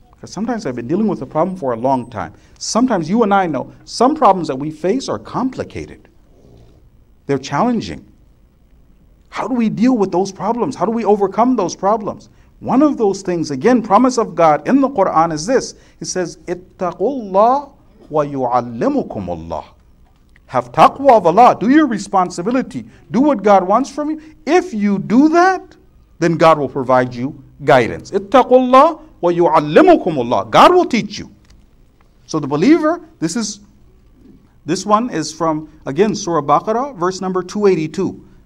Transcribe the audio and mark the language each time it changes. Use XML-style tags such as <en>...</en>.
<en>Because sometimes I've been dealing with a problem for a long time. Sometimes you and I know some problems that we face are complicated. They're challenging. How do we deal with those problems? How do we overcome those problems? One of those things, again, promise of God in the Quran is this. It says,</en> <ar>اتَّقُوا اللَّهُ وَيُعَلِّمُكُمُ اللَّهُ.</ar> <en>Have taqwa of Allah. Do your responsibility. Do what God wants from you. If you do that, then God will provide you guidance.</en> <ar>اتَّقُوا اللَّهُ وَيُعَلِّمُكُمُ اللَّهُ.</ar> <en>God will teach you. So the believer, this one is from, again, Surah Baqarah, verse number 282.</en>